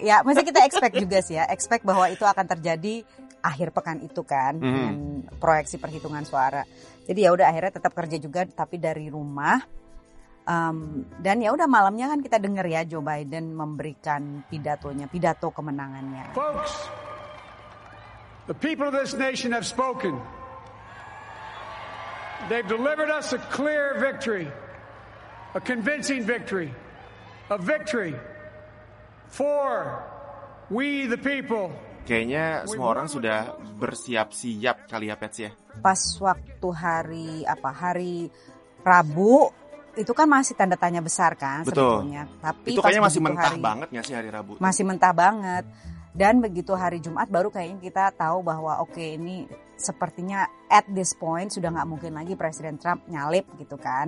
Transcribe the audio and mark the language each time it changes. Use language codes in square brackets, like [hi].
[id] Ya masih kita expect juga sih ya, expect bahwa itu akan terjadi akhir pekan itu kan, dengan proyeksi perhitungan suara. Jadi ya udah akhirnya tetap kerja juga tapi dari rumah. Dan ya udah malamnya kan kita dengar ya Joe Biden memberikan pidatonya, pidato kemenangannya. [en] Folks, the people of this nation have spoken. They've delivered us a clear victory, a convincing victory, a victory for we the people. [id] Kayaknya semua orang sudah bersiap-siap kali ya, Pets ya. Pas waktu hari Rabu itu kan masih tanda tanya besar kan sebetulnya. Tapi itu kayaknya masih mentah banget nggak sih hari Rabu? Masih mentah banget. Dan begitu hari Jumat baru kayaknya kita tahu bahwa oke, ini sepertinya [en] at this point [id] sudah nggak mungkin lagi Presiden Trump nyalip gitu kan.